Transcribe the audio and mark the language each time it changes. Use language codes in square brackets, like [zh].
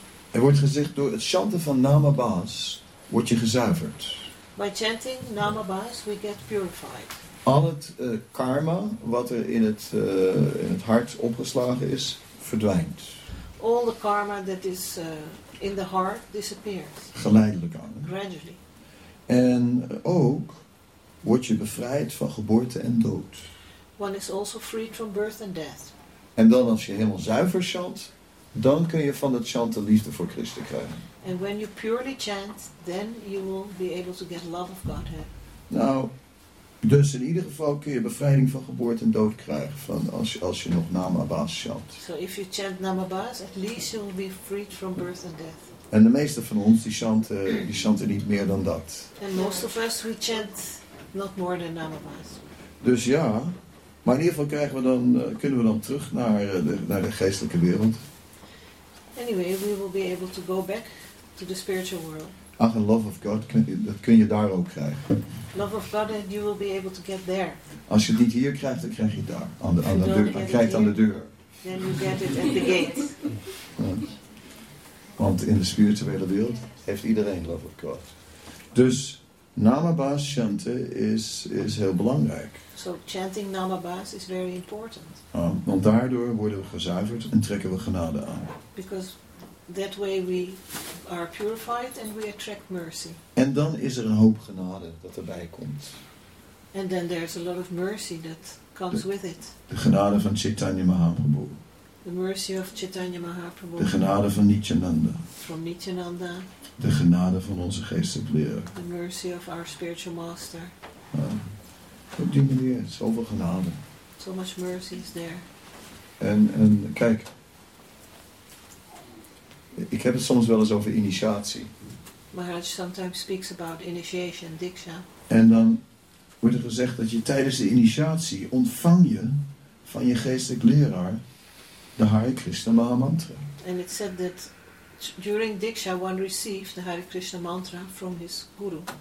[nl] Er wordt gezegd door het chanten van Naam Abbas word je gezuiverd. [en] By chanting Naam Abbas we get purified. [nl] Al het karma wat er in het hart opgeslagen is, verdwijnt. [en] All the karma that is in the heart disappears. [nl] Geleidelijk aan. [en] Gradually. [nl] En ook word je bevrijd van geboorte en dood. [en] One is also freed from birth and death. [nl] En dan als je helemaal zuiver chant, dan kun je van dat chant de liefde voor Christus krijgen. [en] And when you purely chant, then you will be able to get love of Godhead. [nl] Nou, dus in ieder geval kun je bevrijding van geboorte en dood krijgen van als je nog Naam Abbas chant. [en] So if you chant Naam Abbas, at least you will be freed from birth and death. [nl] En de meeste van ons die chanten niet meer dan dat. [en] And most of us we chant not more than Naam Abbas. [nl] Dus ja, maar in ieder geval kunnen we dan terug naar de geestelijke wereld. [en] Anyway, we will be able to go back to the spiritual world. [nl] Ach, en [en] love of God, [nl] dat kun je daar ook krijgen. [en] Love of God, and you will be able to get there. [nl] Als je het niet hier krijgt, dan krijg je het daar. Aan de deur. [en] Then you get it at the gate. [nl] Ja. Want in de spirituele wereld heeft iedereen [en] love of God. [nl] Dus Naam Abbas chanten is heel belangrijk. [en] So chanting Naam Abbas is very important. [nl] Want daardoor worden we gezuiverd en trekken we genade aan. [en] Because that way we are purified and we attract mercy. [nl] En dan is er een hoop genade dat erbij komt. [en] And then there's a lot of mercy that comes with it. [nl] De genade van Chaitanya Mahaprabhu. [en] The mercy of Chaitanya Mahaprabhu. [nl] De genade van Nityananda. [en] From Nityananda. [nl] De genade van onze geestelijke leraar. [en] The mercy of our spiritual master. [nl] Op die manier, zoveel genade. [en] So much mercy is there. [nl] En kijk, ik heb het soms wel eens over initiatie. [en] Maharaj sometimes speaks about initiation, diksha. [nl] En dan wordt er gezegd dat je tijdens de initiatie ontvang je van je geestelijk leraar de Hare Krishna Mahamantra. [en] And it said that during diksha one receives the Hare Krishna Mantra from his guru.